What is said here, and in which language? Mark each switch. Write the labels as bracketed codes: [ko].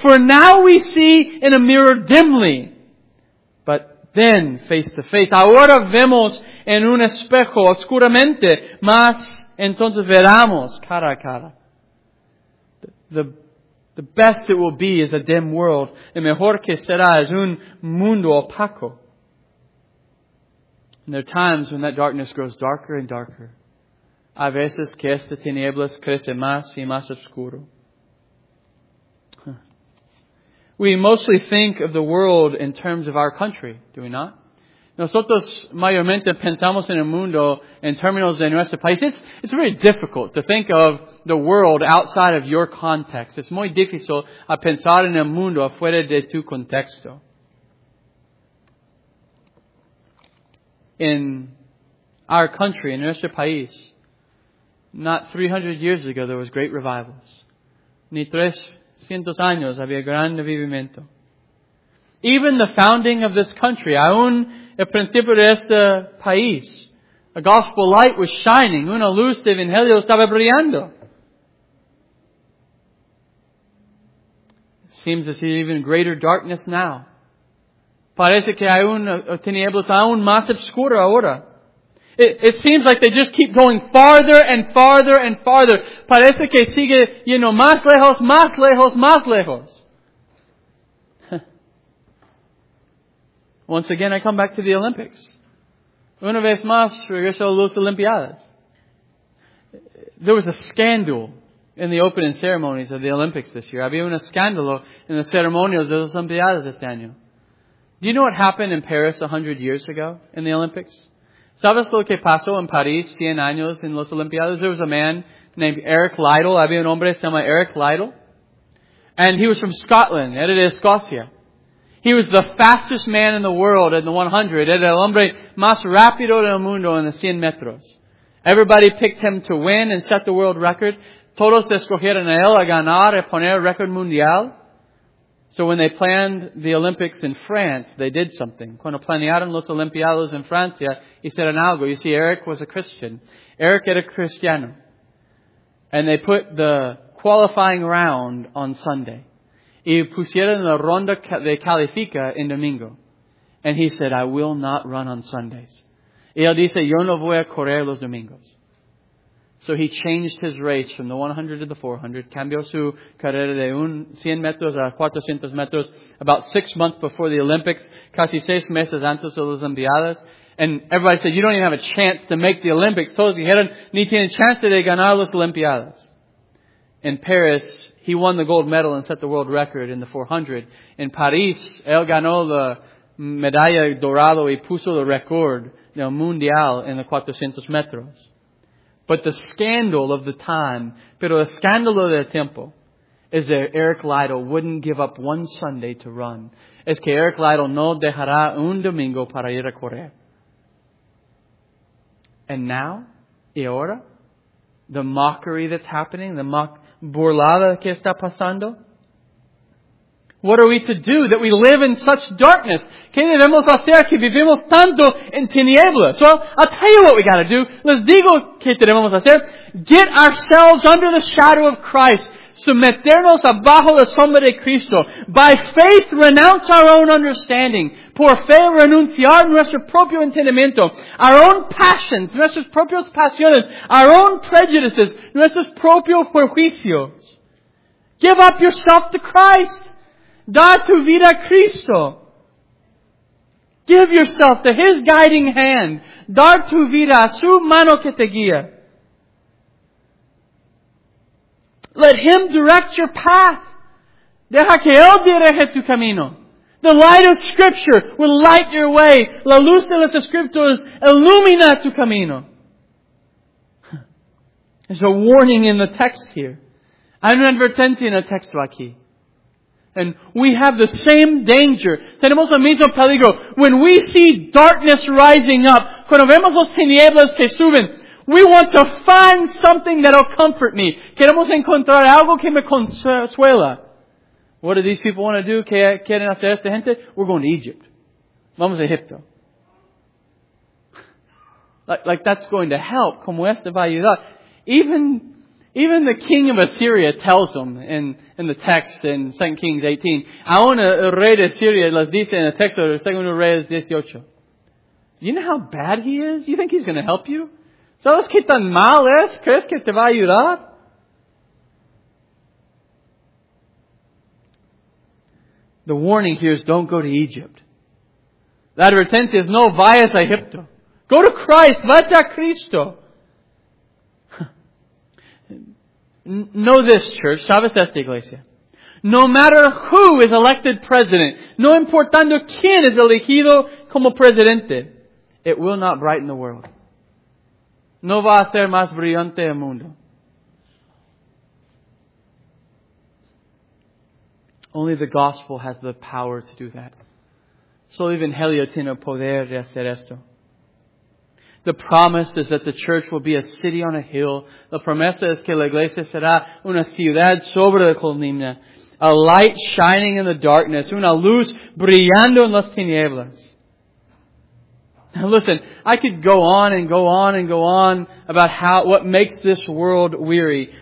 [en] For now we see in a mirror dimly, but then face to face. [es] Ahora vemos en un espejo oscuramente, mas entonces veramos cara a cara. [en] The best it will be is a dim world. [es] El mejor que será es un mundo opaco. [en] And there are times when that darkness grows darker and darker. [es] A veces que esta tinieblas crece más y más oscuro. [en] We mostly think of the world in terms of our country, do we not? [es] Nosotros mayormente pensamos en el mundo en términos de nuestro país. [en] It's very difficult to think of the world outside of your context. [es] It's muy difícil a pensar en el mundo afuera de tu contexto. [en] In our country, in [es] nuestro país, [en] not 300 years ago there was great revivals. [es] Ni 300 años había gran avivamiento. [en] Even the founding of this country, [es] aún el principio de este país, [en] a gospel light was shining, [es] una luz de evangelio estaba brillando. [en] Seems to see even greater darkness now. [es] Parece que hay un tinieblas aún más oscuro ahora. [en] It seems like they just keep going farther and farther and farther. [es] Parece que sigue yendo más lejos, más lejos, más lejos. [en] Once again, I come back to the Olympics. [es] Una vez más, regreso a las Olimpiadas. [en] There was a scandal in the opening ceremonies of the Olympics this year. [es] Había un escándalo en las ceremonias de las Olimpiadas este año. [en] Do you know what happened in Paris 100 years ago in the Olympics? [es] ¿Sabes lo que pasó en París 100 años en las Olimpiadas? [en] There was a man named Eric Liddell. [es] Había un hombre que se llama Eric Liddell. [en] And he was from Scotland. [es] Era de Escocia. [en] He was the fastest man in the world in the 100. [es] Era el hombre más rápido del mundo en los 100 metros. [en] Everybody picked him to win and set the world record. [es] Todos escogieron a él a ganar y poner récord mundial. [en] So when they planned the Olympics in France, they did something. [es] Cuando planearon los Olimpiados en Francia, hicieron algo. [en] You see, Eric was a Christian. [es] Eric era cristiano. [en] And they put the qualifying round on Sunday. [es] Y pusieron la ronda de califica en domingo. [en] And he said, I will not run on Sundays. [es] Y él dice, yo no voy a correr los domingos. [en] So he changed his race from the 100 to the 400. [es] Cambió su carrera de 100 metros a 400 metros [en] about 6 months before the Olympics, [es] casi 6 meses antes de las Olimpiadas. [en] And everybody said, you don't even have a chance to make the Olympics. [es] Todos dijeron, ni tienen chance de ganar las Olimpiadas. [en] In Paris, he won the gold medal and set the world record in the 400. [es] In Paris, él ganó la medalla dorado y puso el récord del mundial en los 400 metros. [en] But the scandal of the time, [es] pero el escándalo del tiempo, [en] is that Eric Liddell wouldn't give up one Sunday to run. [es] Es que Eric Liddell no dejará un domingo para ir a correr. [en] And now, [es] y ahora, [en] the mockery that's happening, the [es] burlada que está pasando. [en] What are we to do that we live in such darkness? [es] ¿Qué debemos hacer que vivimos tanto en tinieblas? [en] Well, I'll tell you what we gotta do. [es] Les digo qué debemos hacer. [en] Get ourselves under the shadow of Christ. [es] Someternos abajo la sombra de Cristo. [en] By faith, renounce our own understanding. [es] Por fe, renunciar nuestro propio entendimiento. [en] Our own passions, [es] nuestras propias pasiones. [en] Our own prejudices, [es] nuestros propios prejuicios. [en] Give up yourself to Christ. [es] Da tu vida Cristo. [en] Give yourself to His guiding hand. [es] Dar tu vida su mano que te guía. [en] Let Him direct your path. [es] Deja que Él dirige tu camino. [en] The light of Scripture will light your way. [es] La luz de las Escrituras ilumina tu camino. [en] There's a warning in the text here. [es] Hay una advertencia en el texto aquí. [en] And we have the same danger. [es] Tenemos el mismo peligro. [en] When we see darkness rising up, [es] cuando vemos los tinieblas que suben, [en] we want to find something that will comfort me. [es] Queremos encontrar algo que me consuela. [en] What do these people want to do? [es] ¿Qué quieren hacer esta gente? [en] We're going to Egypt. [es] Vamos a Egipto. [en] Like that's going to help. [es] Como esta va a ayudar. [en] Even the king of Assyria tells them in the text in 2 Kings 18. [es] Aún el rey de Assyria les dice en el texto de 2 Reyes 18. [en] You know how bad he is? You think he's going to help you? [es] ¿Sabes qué tan mal es? ¿Crees que te va a ayudar? [en] The warning here is don't go to Egypt. [es] La advertencia es no vayas a Egipto. [en] Go to Christ. [es] Vete a Cristo. [en] Know this, church. [es] Sabes esta iglesia. [en] No matter who is elected president, [es] no importando quién es elegido como presidente, [en] it will not brighten the world. [es] No va a ser más brillante el mundo. [en] Only the gospel has the power to do that. [es] Solo Evangelio tiene poder de hacer esto. [en] The promise is that the church will be a city on a hill. [es] La promesa es que la iglesia será una ciudad sobre la colina. [en] A light shining in the darkness. [es] Una luz brillando en las tinieblas. [en] Now listen, I could go on and go on and go on about what makes this world weary.